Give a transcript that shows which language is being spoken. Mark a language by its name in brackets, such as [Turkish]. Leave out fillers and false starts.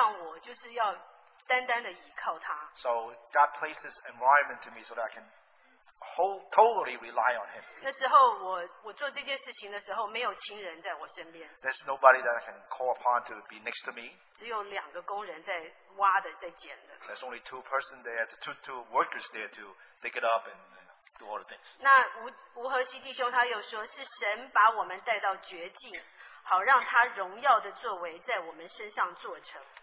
[Chinese] 但是神就借着这个环境让我就是要单单的依靠他。 [English] So God placed this environment to me so that I can totally rely on Him. [Chinese] 那时候我做这件事情的时候没有亲人在我身边。 [English] There's nobody that I can call upon to be next to me. [Chinese] 只有两个工人在。 [English] There's only two persons there, two workers there to dig it up and do all the things. [Chinese] 那吴和熙弟兄他又说，是神把我们带到绝境，好让他荣耀的作为在我们身上做成。